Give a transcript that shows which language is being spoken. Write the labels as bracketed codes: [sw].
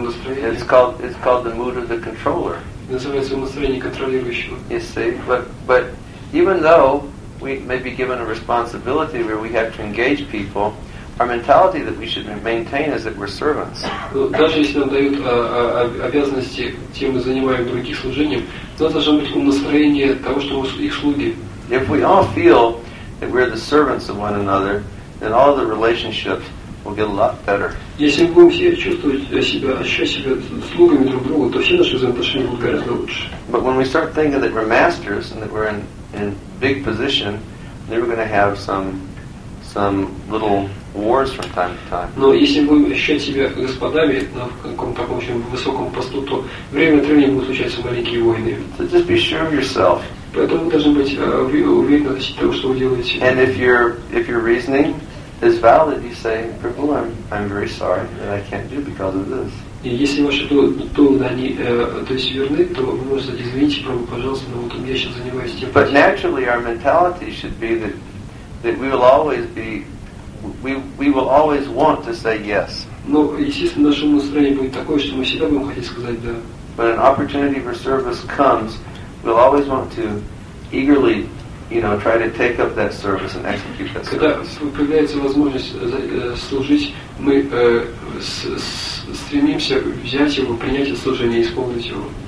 [en] It's called the mood of the controller. You see, but even though we may be given a responsibility where we have to engage people, our mentality that we should maintain is that we're servants. [ru] Даже если нам дают обязанности, тем мы занимаем других служением, у нас должно быть настроение того, что мы их слуги. [en] If we all feel that we're the servants of one another, then all the relationships will get a lot better. [ru] Если мы будем все чувствовать себя, ощущать себя слугами друг друга, то все наши взаимоотношения будут гораздо лучше. [en] But when we start thinking that we're masters and that we're in big position, they were going to have some little wars from time to time. [ru] Но если будем считать себя господами на каком-то очень высоком посту, то время от времени будут случаться маленькие войны. [en] So just be sure of yourself. [ru] Поэтому должны быть уверены в том, что вы делаете. [en] And if your reasoning is valid, you say, Prabhu, I'm very sorry that I can't do because of this. [ru] И если ваши доводы, они, то есть верны, то вы можете сказать, извините, Прабу, пожалуйста, но вот я сейчас занимаюсь тем. [en] But naturally our mentality should be that we will always want to say yes. [ru] Но, естественно, наше настроение будет такое, что мы всегда будем хотеть сказать да. [en] But an opportunity for service comes, we'll always want to eagerly, you know, try to take up that service and execute that service. [ru] Когда появляется возможность служить, мы стремимся взять его, принять это служение и исполнить его.